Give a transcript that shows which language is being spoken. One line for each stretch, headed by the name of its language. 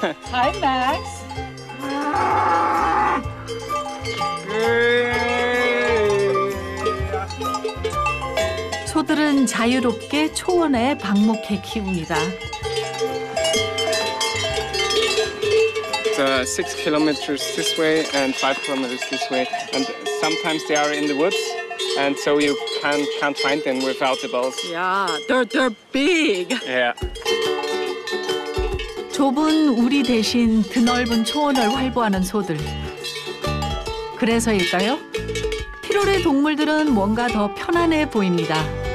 English: Hi Max.
Korean: 소들은 자유롭게 초원에 방목해 키웁니다.
English: Six kilometers this way and five kilometers this way, and sometimes they are in the woods, and so you can't find them without the bells. Yeah, they're big. Yeah.
Korean: 좁은 우리 대신 드넓은 초원을 활보하는 소들. 그래서일까요? 피로의 동물들은 뭔가 더 편안해 보입니다.